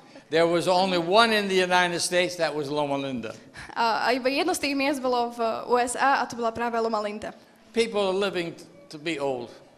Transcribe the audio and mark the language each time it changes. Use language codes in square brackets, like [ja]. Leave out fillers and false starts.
[en] There was only one in the United States, that was Loma Linda. [sk] A iba jedno z tých miest bolo v USA a to bola práve Loma Linda. [en] People are living to be old.